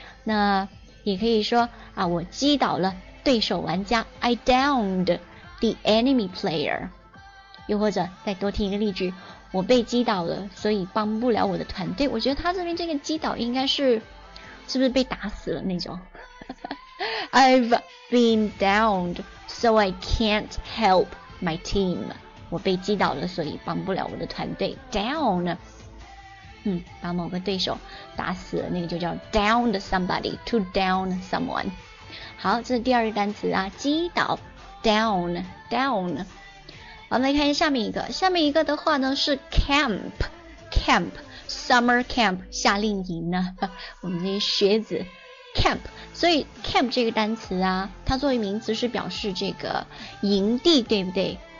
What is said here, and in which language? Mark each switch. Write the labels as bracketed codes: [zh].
[zh] 那也可以说啊，我击倒了对手玩家 [en] I downed the enemy player。 [zh] 又或者再多听一个例句，我被击倒了，所以帮不了我的团队。我觉得他这边这个击倒应该是不是被打死了那种。 [en] I've been downed, so I can't help my team. [zh] 我被击倒了，所以帮不了我的团队。 Down, 把某个对手打死了，那个就叫 [en] downed somebody, to down someone. [zh] 好，这是第二个单词啊，击倒 ,down, down. 我们来看下面一个，下面一个的话呢是 camp summer camp 夏令营呢，我们这些学子 camp， 所以 camp 这个单词啊，它作为名词是表示这个营地，对不对？